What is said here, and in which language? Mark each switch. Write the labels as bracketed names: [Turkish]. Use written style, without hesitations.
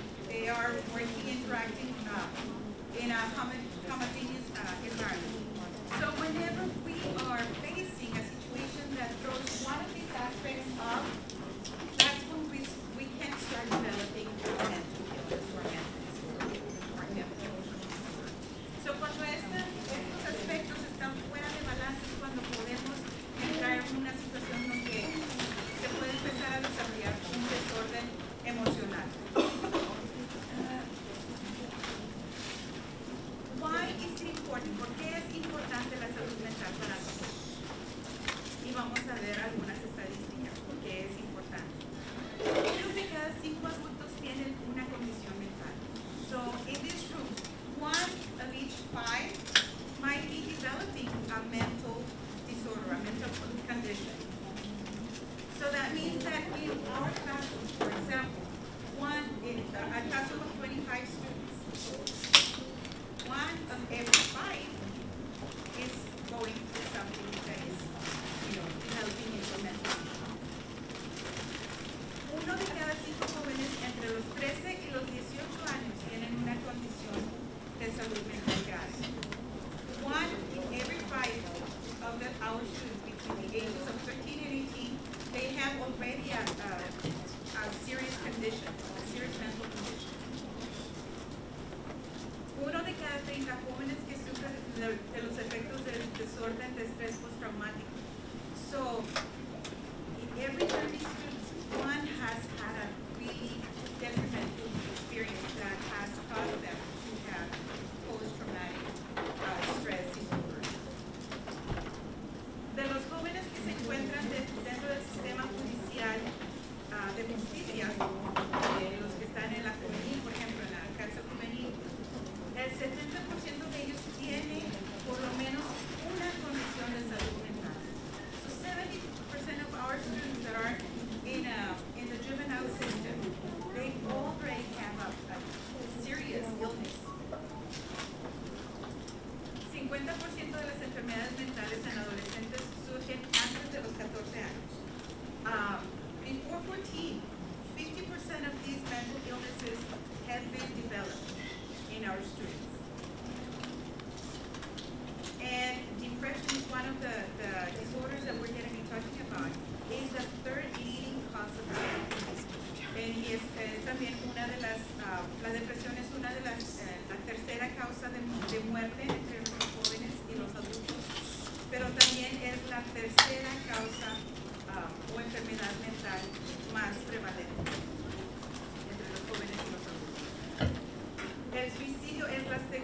[English] They are working, interacting in a homogeneous environment. So whenever we are facing a situation that throws one of these aspects off, that's when we can start developing mental illness or mental disorder. [Spanish] So cuando estos aspectos están fuera de balance, cuando podemos entrar en una situación donde se puede empezar a desarrollar un desorden emocional. [English] Why is it important? [Spanish] ¿Por qué es importante la salud mental para nosotros? Y vamos a ver algunas estadísticas. ¿Por qué es importante? Uno de cada cinco adultos tiene una condición mental. [English] So, in this room, one of each five might be developing a mental disorder, a mental condition. So that means that in our classroom, for example, a classroom of 25 students, one of every five is going through something that is, developing into a mental disorder. [Spanish] Uno de cada cinco jóvenes entre los 13 y los 18 años tienen una condición de salud mental grave. [English] One in every five of the our students between the ages of 13 and 18, they have already a serious condition, a serious mental condition. [Spanish] Uno de cada 30 jóvenes que sufre de los efectos del desorden de estrés postraumático. [English] So, in every 30 students, one has had a really detrimental experience that has caused them to have post-traumatic stress disorder. [Spanish] De los jóvenes que se encuentran dentro del sistema judicial de justicia, los que están en la juvenil, por ejemplo, en la cárcel juvenil, el 70% de ellos tiene por lo menos una condición de salud mental. [English] So 70% of our students that are in the juvenile system, they already have a serious illness. [Spanish] 50% de las enfermedades mentales en adolescentes surgen antes de los 14 años. [English] Before 14, 50% of these mental illnesses have been developed in our students. And depression is one of the disorders that we're going to be talking about. It's the third leading cause of illness. [Spanish] También una de las, la depresión es una de las, la tercera causa de muerte entre los jóvenes y los adultos, pero también es la tercera causa o enfermedad mental más prevalente entre los jóvenes y los adultos. El suicidio es la